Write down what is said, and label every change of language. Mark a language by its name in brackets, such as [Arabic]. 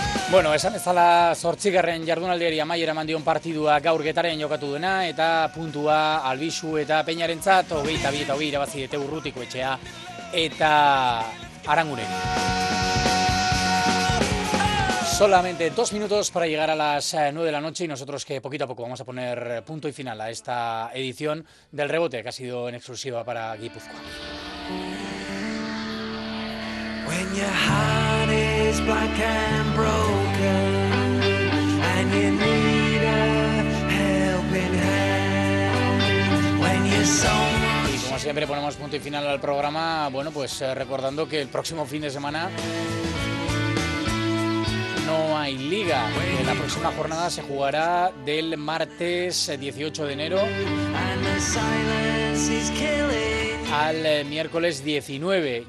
[Basque] Bueno, esan bezala 8. jardunaldiari amaiera eman dion partidua gaur Getarian jokatu duena eta puntua Albizu eta Peñarentzat 22-22 irabazi dute Urrutiko Etxea eta Aranguren. [Spanish] Solamente 2 minutos para llegar a las 9 de la noche y nosotros que poquito a poco vamos a poner punto y final a esta edición del rebote que ha sido en exclusiva para Gipuzkoa. [English] When your heart is black and broken and you need a helping hand when your soul. [Spanish] Como siempre ponemos punto y final al programa, bueno, pues recordando que el próximo fin de semana no hay liga. En la próxima jornada se jugará del martes 18 de enero al miércoles 19.